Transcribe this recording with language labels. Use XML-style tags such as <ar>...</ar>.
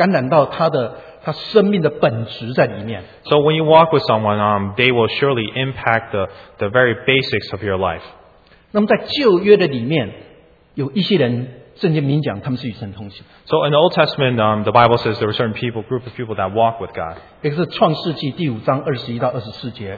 <zh>也就是说，你同行里面，你一定会感染到他的生命的本质在里面。</zh> <en>So when you walk with someone, they will surely impact the very basics of your life.</en> <zh>那么在旧约的里面，有一些人，圣经明讲他们是与神同行。</zh> <en>So in the Old Testament, the Bible says there were certain people, group of people that walk with God.</en> <zh>也是创世纪第五章21到24节。</zh>